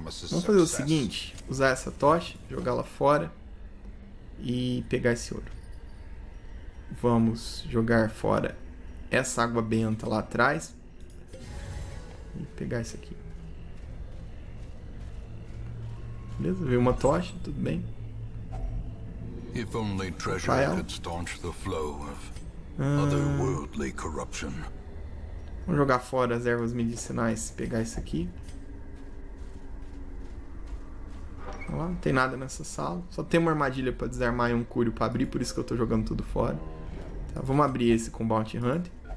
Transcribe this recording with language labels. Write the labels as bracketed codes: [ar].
[pt] Vamos fazer o seguinte, usar essa tocha, jogá-la fora e pegar esse ouro. Vamos jogar fora essa água benta lá atrás e pegar isso aqui. Beleza, veio uma tocha, tudo bem. [en] If only treasure could staunch the flow of otherworldly corruption. [pt] Vamos jogar fora as ervas medicinais, pegar isso aqui. Olha lá, não tem nada nessa sala. Só tem uma armadilha pra desarmar e um cúrio pra abrir, por isso que eu tô jogando tudo fora. Tá, vamos abrir esse com Bounty Hunter.